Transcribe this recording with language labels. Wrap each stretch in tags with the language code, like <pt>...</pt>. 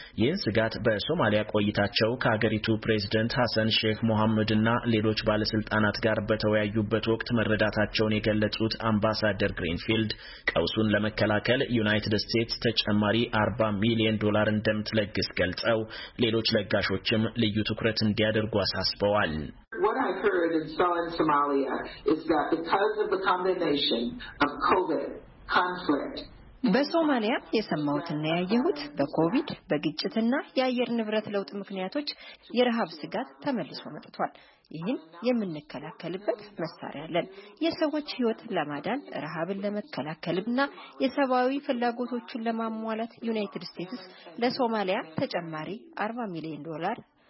<am>ይህን ስጋት በሶማሊያ ቆይታቸው ከሀገሪቱ ፕሬዝዳንት ሐሰን ሼክ መሐመድና ሌሎች ባለስልጣናት ጋር በተወያዩበት ወቅት መረዳታቸውን የገለጹት አምባሳደር ግሪንፊልድ ቀውሱን ለመከላከል ዩናይትድ ስቴትስ ተጨማሪ 40 ሚሊዮን ዶላር እንደምትለግስ ገልጸው ሌሎች ለጋሾችም ልዩ ትኩረት እንዲያደርጉ አሳስበዋል።</am> <en>What I heard in Somalia is that because of the combination of COVID conflict</en> <am>በሶማሊያ የሰማውትና ያየሁት በኮቪድ በግጭትና የአየር ንብረት ለውጥ ምክንያቶች የረሃብ ስጋት ተመልሶ መጥቷል። ይህን የምንከላከልበት መሳሪያ አለን። የሰዎች ህይወት ለማዳን ረሃብን ለመከላከልና የሰብአዊ ፍላጎቶችን ለማሟላት ዩናይትድ ስቴትስ ለሶማሊያ ተጨማሪ 40 ሚሊዮን ዶላር</am>